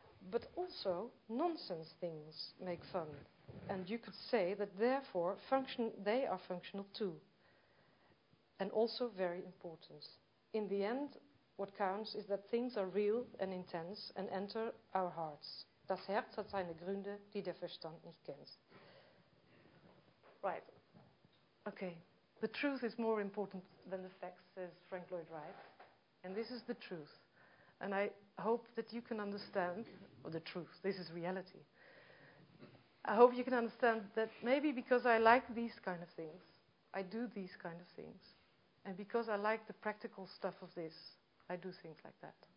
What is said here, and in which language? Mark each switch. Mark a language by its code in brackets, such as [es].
[en] But also, nonsense things make fun. And you could say that therefore they are functional too. And also very important. In the end, what counts is that things are real and intense and enter our hearts. [de] Das Herz hat seine Gründe, die der Verstand nicht kennt. [en] Right. Okay. The truth is more important than the facts, says Frank Lloyd Wright. And this is the truth. And I hope that you can understand, or the truth, this is reality. I hope you can understand that maybe because I like these kind of things, I do these kind of things, and because I like the practical stuff of this, I do things like that.